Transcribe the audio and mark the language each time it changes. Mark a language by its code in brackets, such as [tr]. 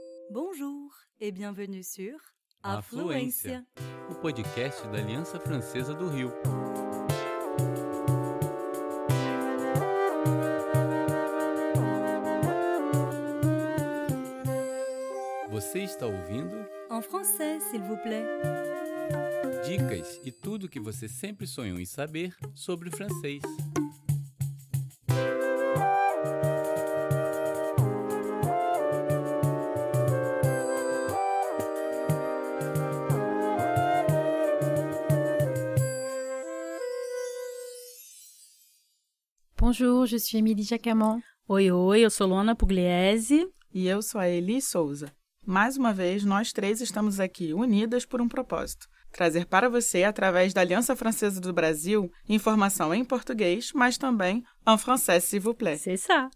[fr] Bonjour et bienvenue sur [pt] Afluência, o podcast da Aliança Francesa do Rio. Você está ouvindo? [fr] En français, s'il vous plaît. [pt] Dicas e tudo o que você sempre sonhou em saber sobre o francês. [fr] Bonjour, je suis Émilie Jacquemont. [pt] Oi, oi, eu sou Luana Pugliese. E eu sou a Eli Souza. Mais uma vez, nós três estamos aqui unidas por um propósito: trazer para você, através da Aliança Francesa do Brasil, informação em português, mas também [fr] en français, s'il vous plaît. C'est ça.